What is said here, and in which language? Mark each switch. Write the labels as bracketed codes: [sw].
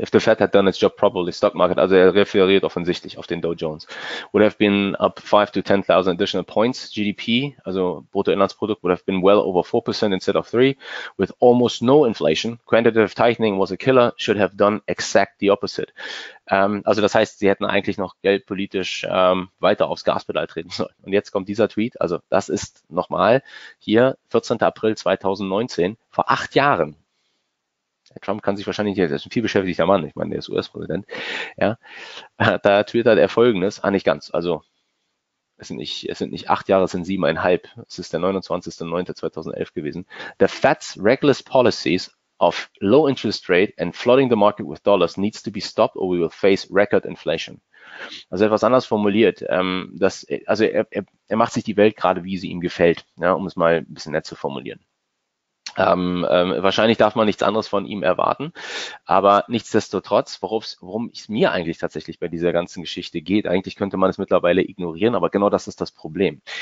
[en] If the Fed had done its job properly, stock market, [de] also er referiert offensichtlich auf den Dow Jones, [en] would have been up 5 to 10,000 additional points. GDP, [de] also Bruttoinlandsprodukt, [en] would have been well over 4% instead of 3, with almost no inflation. Quantitative tightening was a killer, should have done exact the opposite. [de] Also das heißt, sie hätten eigentlich noch geldpolitisch weiter aufs Gaspedal treten sollen. Und jetzt kommt dieser Tweet, also das ist nochmal hier, 14. April 2019, vor 8 Jahren. Trump kann sich wahrscheinlich nicht, das ist ein viel beschäftigter Mann, ich meine, der ist US-Präsident, ja, da twittert er Folgendes, ah, nicht ganz, also es sind nicht 8 Jahre, es sind 7,5, es ist der 29.09.2011 gewesen. [en] The Fed's reckless policies of low interest rate and flooding the market with dollars needs to be stopped or we will face record inflation. [de] Also etwas anders formuliert, dass, also er macht sich die Welt gerade, wie sie ihm gefällt, ja, um es mal ein bisschen nett zu formulieren. Wahrscheinlich darf man nichts anderes von ihm erwarten, aber nichtsdestotrotz, worum es mir eigentlich tatsächlich bei dieser ganzen Geschichte geht, eigentlich könnte man es mittlerweile ignorieren, aber genau das ist das Problem.